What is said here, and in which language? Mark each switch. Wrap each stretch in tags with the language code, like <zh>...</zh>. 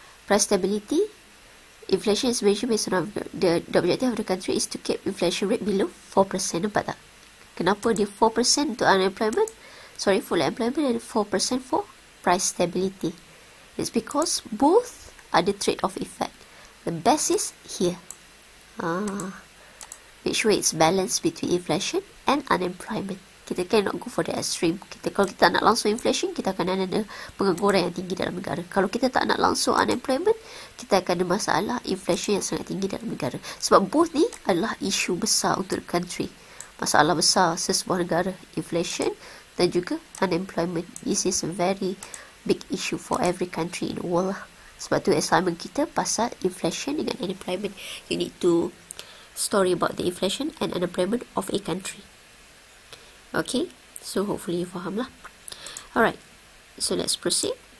<en>Price stability, inflation is measured based on the objective of the country is to keep inflation rate below 4%.</en> <ms>Nampak tak? Kenapa dia 4% untuk unemployment?</ms> <en>Sorry, full employment and 4% for price stability. It's because both are the trade-off effect. The best is here. Which way it's balanced between inflation and unemployment.</en> <ms>Kita</ms> <en>cannot go for the extreme.</en> <ms>Kalau kita nak langsung inflation, kita akan ada pengangguran yang tinggi dalam negara. Kalau kita tak nak langsung unemployment, kita akan ada masalah inflation yang sangat tinggi dalam negara. Sebab both ni adalah isu besar untuk</ms> <en>the country.</en> <ms>Masalah besar sesebuah negara. Inflation dan juga unemployment.</ms> <en>This is a very big issue for every country in the world lah.</en> <ms>Sebab tu assignment kita pasal inflation dengan unemployment.</ms> <en>You need to story about the inflation and unemployment of a country. Okay, so hopefully you</en> <ms>faham lah.</ms> <en>Alright, so let's proceed.</en>